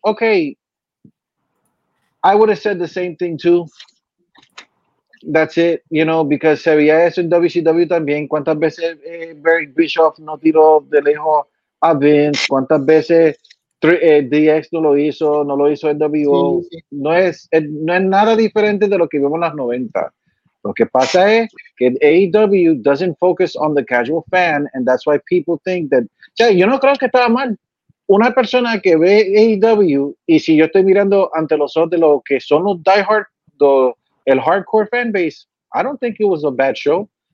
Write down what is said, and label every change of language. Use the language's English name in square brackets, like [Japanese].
[English] Okay, I would have said the same thing too. That's it, you know, because [Spanish] se veía eso en WCW también. ¿Cuántas veces Eric Bischoff no tiró de lejos a Vince? ¿Cuántas veces DX no lo hizo? ¿No lo hizo NWO? Sí. No es nada diferente de lo que vimos en las 90. Lo que pasa es que [English] AEW doesn't focus on the casual fan, and that's why people think that. [Spanish] Yo no creo que estaba mal. Una persona que ve AEW, y si yo estoy mirando ante los ojos de lo que son los diehard, el hardcore fanbase, [English] I don't think it was a bad show.